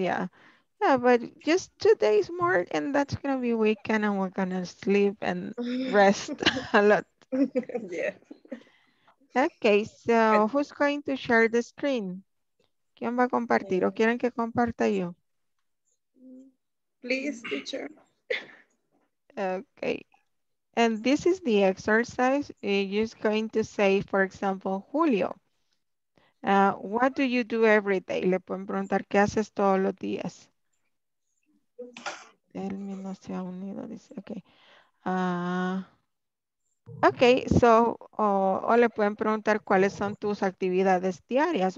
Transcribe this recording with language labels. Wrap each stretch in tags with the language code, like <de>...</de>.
<en>Yeah, but just 2 days more and that's gonna be weekend and we're gonna sleep and rest a lot. Yeah. Okay, so who's going to share the screen?</en> <es>¿Quién va a compartir o quieren que comparta yo?</es> <en>Please, teacher. Okay. And this is the exercise. You're just going to say, for example, Julio. What do you do every day?</en> <es>Le pueden preguntar, ¿qué haces todos los días? Él no se ha unido, dice, okay. Okay, so, o le pueden preguntar, ¿cuáles son tus actividades diarias?</es>